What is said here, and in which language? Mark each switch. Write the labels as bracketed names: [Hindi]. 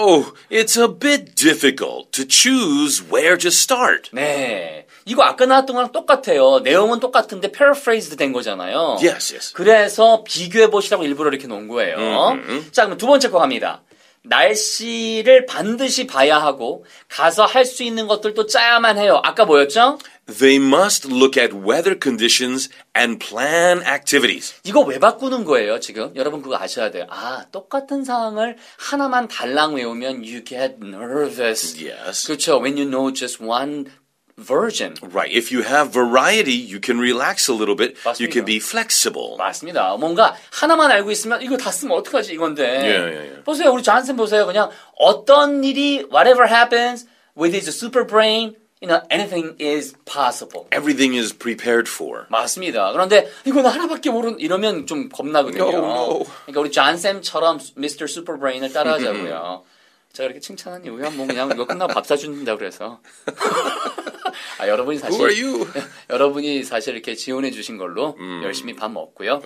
[English] Oh, it's a bit difficult to choose where to start. [Korean] 네, 이거 아까 나왔던 거랑 똑같아요. 내용은 똑같은데 paraphrased 된 거잖아요. [English] Yes, yes. [Korean] 그래서 비교해보시라고 일부러 이렇게 놓은 거예요. Mm-hmm. 자, 그럼 두 번째 거 갑니다. 날씨를 반드시 봐야 하고 가서 할 수 있는 것들도 짜야만 해요. 아까 뭐였죠? [English] They must look at weather conditions and plan activities. [Korean] 이거 왜 바꾸는 거예요, 지금? 여러분 그거 아셔야 돼요. 아, 똑같은 상황을 하나만 달랑 외우면 [English] you get nervous. Yes. [Korean] 그렇죠. [English] When you know just one version. Right. If you have variety, you can relax a little bit. [Korean] 맞습니다. [English] You can be flexible. [Korean] 맞습니다. 뭔가 하나만 알고 있으면 이거 다 쓰면 어떡하지 이건데. [English] Yeah, yeah, yeah. [Korean] 보세요. 우리 존슨 보세요. 그냥 어떤 일이 [English] whatever happens with his super brain, you know, anything is possible. Everything is prepared for. [Korean] 맞습니다. 그런데 이건 하나밖에 모르는 이러면 좀 겁나거든요. [English] No, no. [Korean] 그러니까 우리 존슨처럼 Mr. Super Brain을 따라하자고요. 제가 이렇게 칭찬한 이유야 뭐 그냥 이거 끝나고 밥 사준다 그래서 아, 여러분이 사실 [English] Who are you? [Korean] 여러분이 사실 이렇게 지원해 주신 걸로 열심히 밥 먹고요.